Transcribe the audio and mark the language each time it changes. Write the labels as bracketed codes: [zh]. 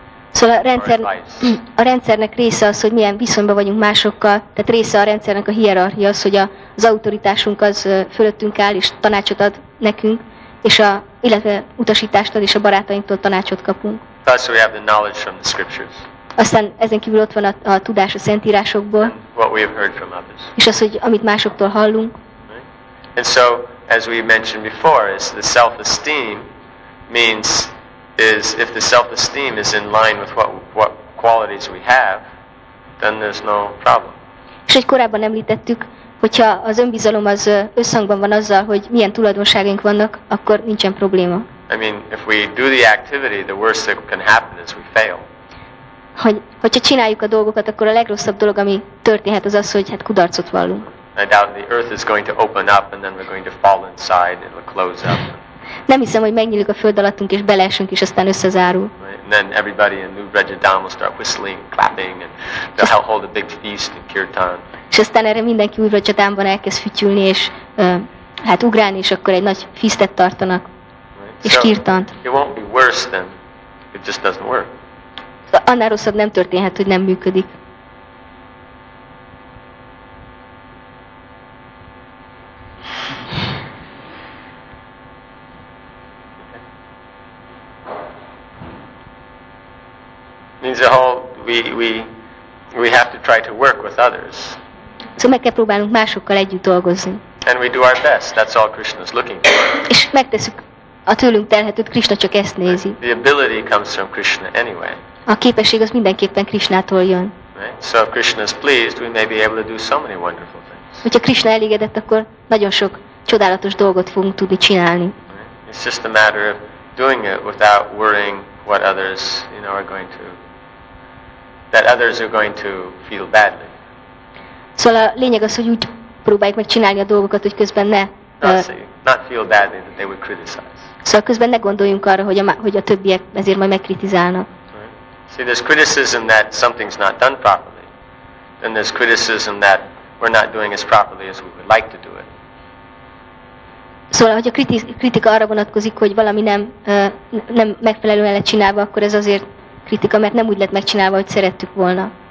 [hu] Szóval a rendszernek része az, hogy milyen viszonyban vagyunk másokkal, tehát része a rendszernek a hierarchia az, hogy az autoritásunk az fölöttünk áll, és tanácsot ad nekünk, és illetve utasítást ad, és a barátainktól tanácsot kapunk. [en] Plus we have the knowledge from the scriptures. [hu] Aztán ezen kívül ott van a tudás a szentírásokból, [en] what we have heard from others. [hu] És az, hogy amit másoktól hallunk. [en] Right. And so, as we mentioned before, is the self-esteem means is if the self-esteem is in line with what qualities we have, then there's no problem. [hu] És hogy korábban említettük, hogyha az önbizalom az összhangban van azzal, hogy milyen tulajdonságaink vannak, akkor nincsen probléma. [en] I mean, if we do the activity, the worst that can happen is we fail. [hu] Hogyha csináljuk a dolgokat, akkor a legrosszabb dolog, ami történhet, az az, hogy hát kudarcot vallunk. [en] I doubt the earth is going to open up and then we're going to fall inside and it'll close up. [hu] Nem hiszem, hogy megnyílik a föld alattunk és beleesünk és aztán összezárul. [en] And then everybody in New Brajadam will start whistling, clapping and they'll hold a big feast in Kirtan. [hu] És aztán erre mindenki New Brajadamban elkezd fütyülni és hát ugrálni és akkor egy nagy fisztet tartanak. És kirtant. [en] It won't be worse than it just doesn't work. [hu] Annál rosszabb nem történhet, hogy nem működik. [en] Means the whole we have to try to work with others. [hu] Szóval meg kell próbálnunk másokkal együtt dolgozni. [en] And we do our best. That's all Krishna is looking for. [hu] És megteszük a tőlünk telhetőt, Krishna csak ezt nézi. [en] The ability comes from Krishna anyway. [hu] A képesség az mindenképpen Krishnától jön. [en] Right? So if Krishna is pleased, we may be able to do so many wonderful things. [hu] Hogyha Krishna elégedett, akkor nagyon sok csodálatos dolgot fogunk tudni csinálni. [en] Right? It's just a matter of doing it without worrying what others, you know, are going to, that others are going to feel badly. [hu] Szóval a lényeg az, hogy úgy próbáljuk meg csinálni a dolgokat, hogy közben ne [en] not feel badly that they would criticize. [hu] Szóval közben ne gondoljunk arra, hogy a többiek ezért majd megkritizálnak. [en] Right. See, there's criticism that something's not done properly, and there's criticism that we're not doing as properly as we would like to do it. [hu] Szóval, hogy a kritika arra vonatkozik, hogy valami nem megfelelően lett csinálva, akkor ez azért kritika, mert nem úgy lett megcsinálva, hogy szerettük volna.